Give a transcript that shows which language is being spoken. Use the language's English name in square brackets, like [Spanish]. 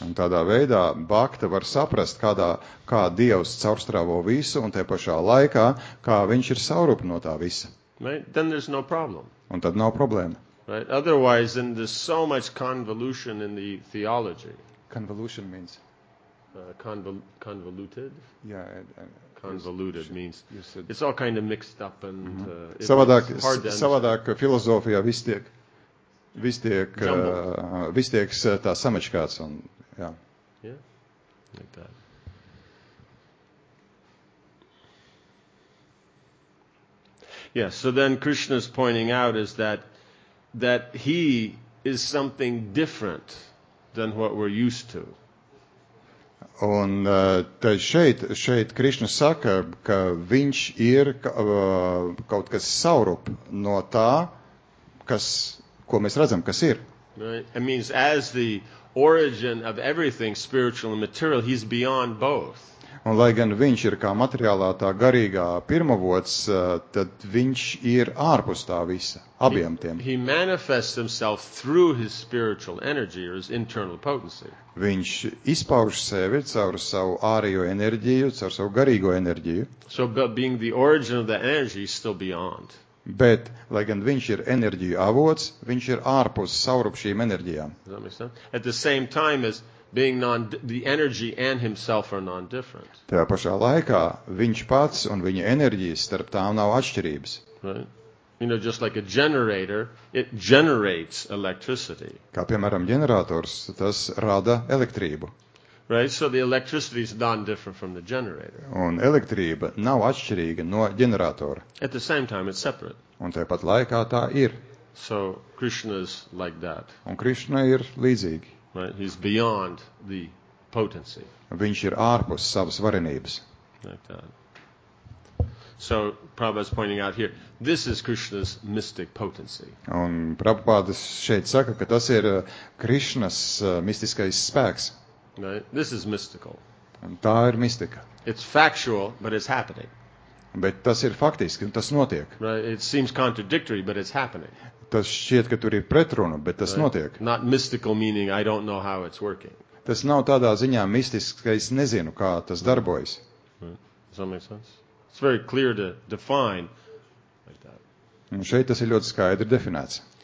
[Latvian] Un tādā veidā bhakta var saprast, kā Dievs caurstrāvo visu, un te pašā laikā, kā viņš ir savrupa no tā visa. [English] Right? Then there's no problem. [Latvian] Un tad nav problēma. [English] Right? Otherwise, then there's so much convolution in the theology. Convolution means? Convoluted? Yeah. Convoluted means said, it's all kind of mixed up and [Latvian] savādāk filozofijā vis tiek tā samečkāts un jā. [English] Yeah. Like that. Yeah, so then Krishna's pointing out is that he is something different than what we're used to. [Latvian] Un tad šeit Krišna saka, ka viņš ir kaut kas savrup no tā, ko mēs redzam, kas ir. [English] Right. It means as the origin of everything, spiritual and material, he's beyond both. [Latvian] Un lai gan viņš ir kā materiālā tā garīgā pirmavots, tad viņš ir ārpus tā visa, abiem tiem. [English] He manifests himself through his spiritual energy or his internal potency. [Latvian] Viņš izpauž sevi caur savu ārējo enerģiju, caur savu garīgo enerģiju. [English] So but being the origin of the energy is still beyond. [Latvian] Bet, lai gan viņš ir enerģiju avots, viņš ir ārpus savrupšīm enerģijām. [English] At the same time as being the energy and himself are non-different. [Latvian] Tajā pašā laikā viņš pats un viņa enerģijas starp tām nav atšķirības. [English] Right? You know, just like a generator, it generates electricity. [Latvian] Kā piemēram ģenerators, tas rada elektrību. [English] Right, so the electricity is non-different from the generator. [Latvian] Un elektrība nav atšķirīga no ģeneratora. [English] At the same time, it's separate. [Latvian] Un tāpat laikā tā ir. [English] So, Krishna is like that. [Latvian] Un Krishna ir līdzīgi. [English] Right, he's beyond the potency. [Latvian] Viņš ir ārpus savas varenības. [English] Like that. So, Prabhupāda's pointing out here, this is Krishna's mystic potency. [Latvian] Un Prabhupāda šeit saka, ka tas ir Krishnas mistiskais spēks. [English] Right? This is mystical. [Latvian] Un tā ir mistika. [English] It's factual, but it's happening. [Latvian] Bet tas ir faktiski, un tas notiek. [English] Right? It seems contradictory, but it's happening. [Latvian] Tas šķiet, ka tur ir pretruna, bet tas [English] right? [Latvian] notiek. [English] Not mystical meaning, I don't know how it's working. [Latvian] Tas nav tādā ziņā mistisks, ka es nezinu, kā tas darbojas. [English] Right. Does that make sense? It's very clear to define like that. [Latvian] Un šeit tas ir ļoti skaidri definēts.